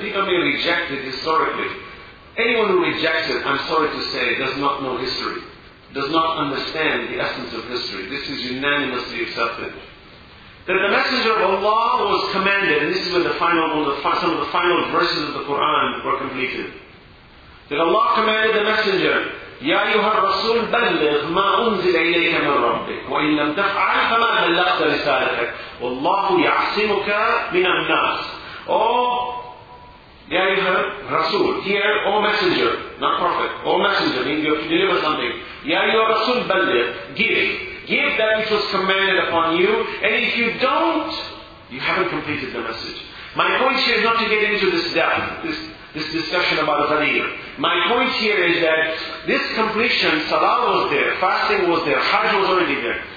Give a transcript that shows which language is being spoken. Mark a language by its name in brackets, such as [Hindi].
[English] People may reject it historically. Anyone who rejects it, I'm sorry to say, does not know history. Does not understand the essence of history. This is unanimously accepted. That the Messenger of Allah was commanded, and this is where some of the final verses of the Quran were completed. That Allah commanded the Messenger, [Arabic] يَا أَيُّهَا الرَّسُولُ بَلِّغْ مَا أُنزِلَ إِلَيْكَ مِنْ رَبِّكَ وَإِنْ لَمْ تَفْعَلْ فَمَا بَلَّغْتَ رِسَالَتَكَ وَاللَّهُ يَعْصِمُكَ مِنَ النَّاسِ. Oh, يَا أَيُّهَا الرَّسُولُ. [English] Here, O Messenger, not Prophet. O Messenger, meaning you have to deliver something. [Arabic] يَا أَيُّهَا الرَّسُولُ بَلِّغْ. [English] Give. Give that which was commanded upon you. And if you don't, you haven't completed the message. My point here is not to get into this doubt. This discussion about Ghadir. My point here is that this completion, Salah was there, fasting was there, Hajj was already there.